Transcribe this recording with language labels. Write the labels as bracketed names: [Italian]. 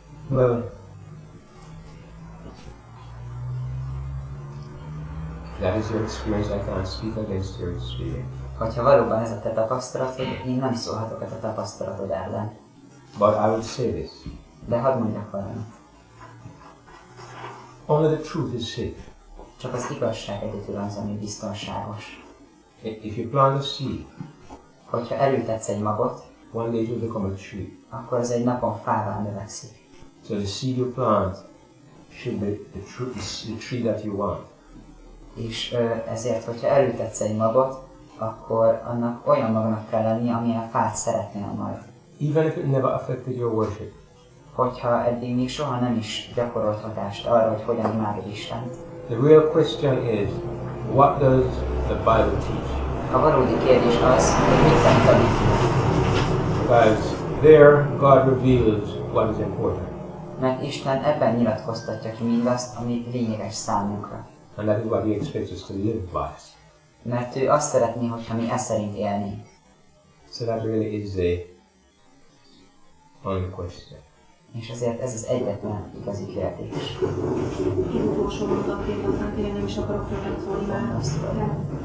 [English] Well, that is your experience. I can't speak against your experience. [Hungarian] Ha valóban ez a te tapasztalatod, én nem szólhatok a te tapasztalatod ellen. [English] But I would say this. [Hungarian] De hadd mondjak valamit. [English] Only the truth is safe. [Hungarian] Csak az igazság egyedül az, ami biztonságos. [English] If you plant a seed, [Hungarian] hogyha elültetsz egy magot, [English] one day it will become a tree. [Hungarian] Akkor ez egy napon fává növekszik. [English] So the seed you plant should be the tree that you want. [Hungarian] És ezért, hogyha elültetsz egy magot, akkor annak olyan magnak kell lenni, amilyen fát szeretnél majd. [English] Even if it never affected your worship. [Hungarian] Hogyha eddig még soha nem is gyakorolt hatást arra, hogy hogyan imádod Istent. [English] The real question is, what does the Bible teach? [Hungarian] A valódi kérdés az, hogy mit tanít a Biblia. [English] Because there God reveals what is important. [Hungarian] Mert Isten ebben nyilatkoztatja ki mindazt, ami lényeges számunkra. [English] And that is what he expects us to live by. [Hungarian] Mert ő azt szeretné, hogyha mi ezt szerint élnénk. [English] So that really is the only question. [Hungarian] És ezért ez az egyetlen igazi kérdés. Én utolsó mondatként aztán tényleg nem is akarok többet szólni már.